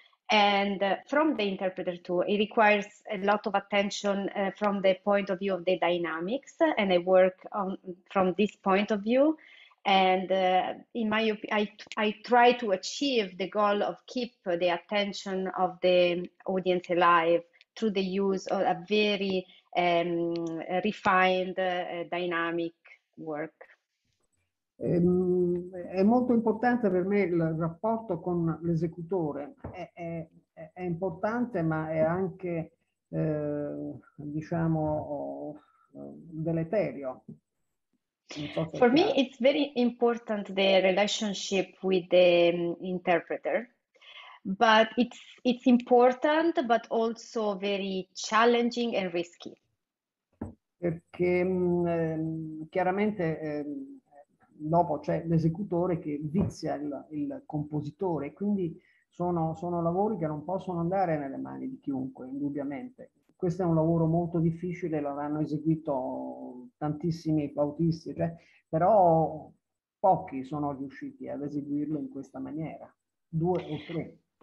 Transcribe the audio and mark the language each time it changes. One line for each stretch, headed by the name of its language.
English: And from the interpreter too, it requires a lot of attention from the point of view of the dynamics, and I work from this point of view. And in my opinion, I try to achieve the goal of keep the attention of the audience alive through the use of a very refined dynamic work.
Italian: È molto importante per me il rapporto con l'esecutore, è importante, ma è anche, diciamo, deleterio.
English: For me it's very important the relationship with the interpreter, but it's important but also very challenging and risky.
Italian: Perché chiaramente dopo c'è l'esecutore che vizia il compositore, quindi sono lavori che non possono andare nelle mani di chiunque, indubbiamente. Questo è un lavoro molto difficile, l'hanno eseguito tantissimi flautisti, cioè, però pochi sono riusciti ad eseguirlo in questa maniera, due o tre.